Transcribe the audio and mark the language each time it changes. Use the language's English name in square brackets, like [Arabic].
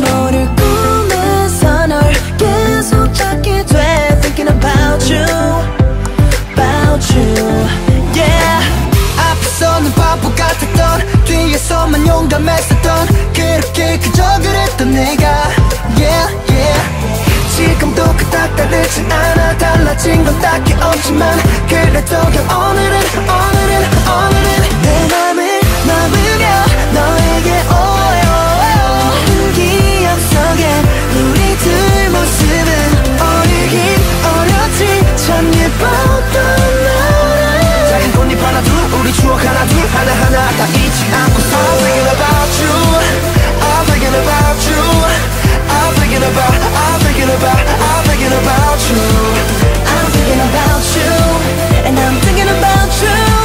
[Korean] 너를 꿈에서 널 계속 찾게 돼. [English] Thinking about you, about you. Yeah. [Korean] 앞서는 바보 같았던 뒤에서만 용감했었던 그렇게 그저 그랬던 내가. Yeah, yeah. 지금도 그닥 다르지 않아. 달라진 건 딱히 없지만 그래도 그냥 오늘은 오늘은 오늘은 내 맘을 넘으며 너에게 오요. 기억 속에 우리 둘 모습은 어리긴 어렸지 참 예뻤던 너를. 작은 꽃잎 하나 둘 우리 추억 하나 둘 하나하나 다 잊지 않고 [English] I'm thinking about you, I'm thinking about you, I'm thinking about, I'm thinking about, I'm thinking about you. I'm thinking about you, and I'm thinking about you.